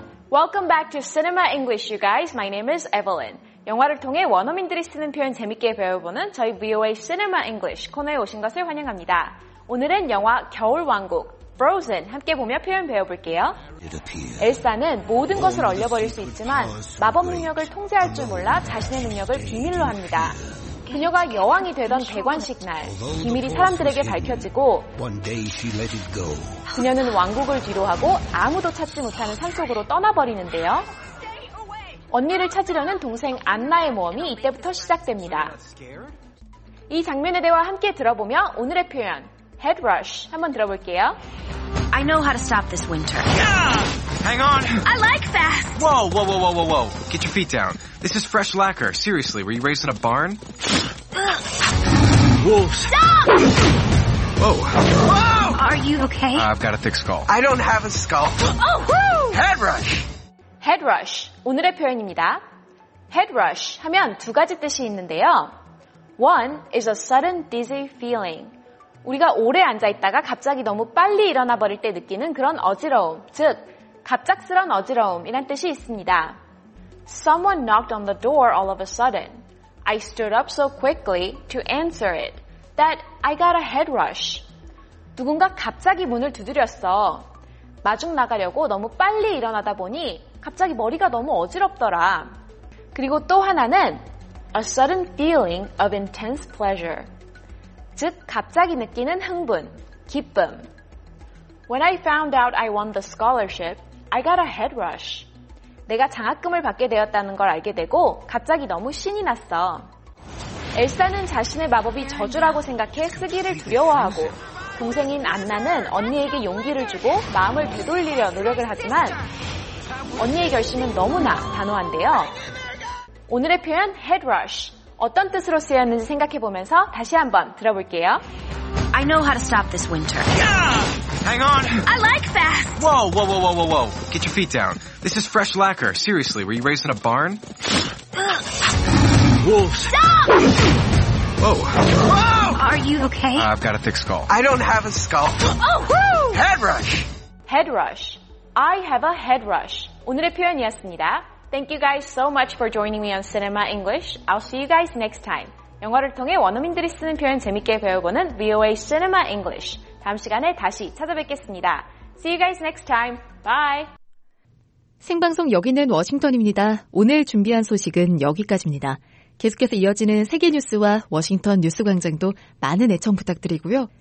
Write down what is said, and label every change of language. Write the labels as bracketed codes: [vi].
[en] 웰컴 back to Cinema English, you guys. My name is Evelyn. [ko] 영화를 통해 원어민들이 쓰는 표현 재밌게 배워보는 저희 VOA Cinema English 코너에 오신 것을 환영합니다. 오늘은 영화 겨울왕국, Frozen 함께 보며 표현 배워볼게요. 엘사는 모든 것을 얼려버릴 수 있지만 마법 능력을 통제할 줄 몰라 자신의 능력을 비밀로 합니다. 그녀가 여왕이 되던 대관식 날, 비밀이 사람들에게 밝혀지고 그녀는 왕국을 뒤로하고 아무도 찾지 못하는 산속으로 떠나버리는데요. 언니를 찾으려는 동생 안나의 모험이 이때부터 시작됩니다. 이 장면의 대화 함께 들어보며 오늘의 표현, head rush, 한번 들어볼게요. [en] I know how to stop this winter. Hang on. I like fast. Whoa, whoa, whoa, whoa, whoa, whoa. Get your feet down. This is fresh lacquer. Seriously, were you raised in a barn? Wolves. Stop! Whoa. Whoa! Are you okay? I've got a thick skull. I don't have a skull. Oh, woo! Head rush! [ko] Head rush. 오늘의 표현입니다. Head rush 하면 두 가지 뜻이 있는데요. [en] One is a sudden dizzy feeling. [ko] 우리가 오래 앉아있다가 갑자기 너무 빨리 일어나 버릴 때 느끼는 그런 어지러움, 즉 갑작스런 어지러움이란 뜻이 있습니다. [en] Someone knocked on the door all of a sudden. I stood up so quickly to answer it that I got a head rush. [ko] 누군가 갑자기 문을 두드렸어. 마중 나가려고 너무 빨리 일어나다 보니 갑자기 머리가 너무 어지럽더라. 그리고 또 하나는 [en] A sudden feeling of intense pleasure. [ko] 즉, 갑자기 느끼는 흥분, 기쁨. When I found out I won the scholarship, I got a head rush. 내가 장학금을 받게 되었다는 걸 알게 되고 갑자기 너무 신이 났어. 엘사는 자신의 마법이 저주라고 생각해 쓰기를 두려워하고 동생인 안나는 언니에게 용기를 주고 마음을 되돌리려 노력을 하지만 언니의 결심은 너무나 단호한데요. 오늘의 표현 head rush. 어떤 뜻으로 쓰였는지 생각해보면서 다시 한번 들어볼게요. [en] I know how to stop this winter. Yeah! Hang on! I like fast! Whoa, whoa, whoa, whoa, whoa. Get your feet down. This is fresh lacquer. Seriously, were you raised in a barn? Wolves! Stop! Whoa. Whoa! Are you okay? I've got a thick skull. I don't have a skull. Oh, woo! Head rush! Head rush. I have a head rush. [ko] 오늘의 표현이었습니다. [en] Thank you guys so much for joining me on Cinema English. I'll see you guys next time. [ko] 영화를 통해 원어민들이 쓰는 표현 재밌게 배워보는 VOA Cinema English. 다음 시간에 다시 찾아뵙겠습니다. [en] See you guys next time. Bye. [ko] 생방송 여기는 워싱턴입니다. 오늘 준비한 소식은 여기까지입니다. 계속해서 이어지는 세계 뉴스와 워싱턴 뉴스 광장도 많은 애청 부탁드리고요.